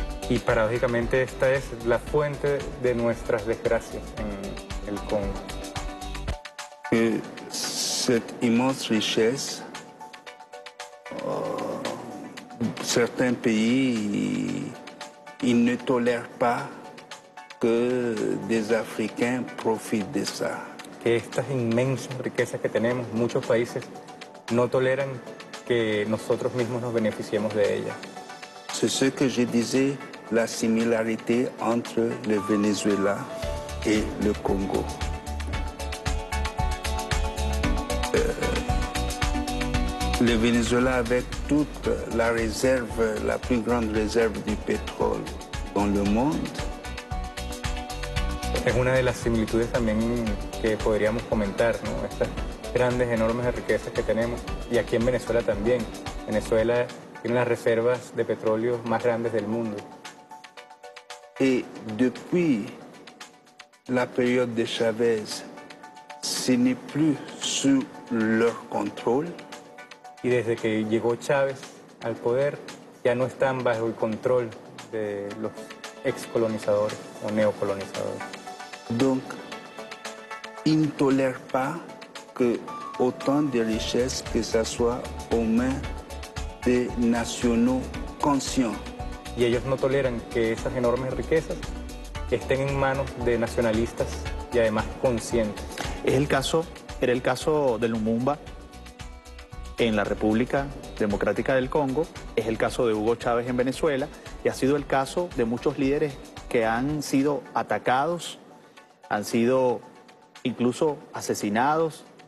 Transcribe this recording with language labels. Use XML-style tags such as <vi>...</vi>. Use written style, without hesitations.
<es>Y paradójicamente esta es la fuente de nuestras desgracias en el Congo.</es> <fr>Que cette immense richesse, certains pays ils ne tolèrent pas que des Africains profitent de ça.</fr> <es>Que estas inmensas riquezas que tenemos, muchos países no toleran que nosotros mismos nos beneficiemos de ellas.</es> <fr>C'est ce que je disais. La similarité entre le Venezuela et le Congo. Le Venezuela avec toute la réserve, la plus grande réserve du pétrole dans le monde.</fr> <es>Es una de las similitudes también que podríamos comentar, ¿no? Estas grandes, enormes riquezas que tenemos. Y aquí en Venezuela también. Venezuela tiene las reservas de petróleo más grandes del mundo.</es> <fr>Et depuis la période de Chavez, ce n'est plus sous leur contrôle.</fr> <es>Y desde que llegó Chávez al poder, ya no están bajo el control de los excolonizadores o neocolonizadores.</es> <fr>Donc, ils ne tolèrent pas que autant de richesses que ça soit aux mains de nationaux conscients.</fr> <es>Y ellos no toleran que esas enormes riquezas estén en manos de nacionalistas y además conscientes. Es el caso, era el caso de Lumumba en la República Democrática del Congo, es el caso de Hugo Chávez en Venezuela y ha sido el caso de muchos líderes que han sido atacados, han sido incluso asesinados.</es>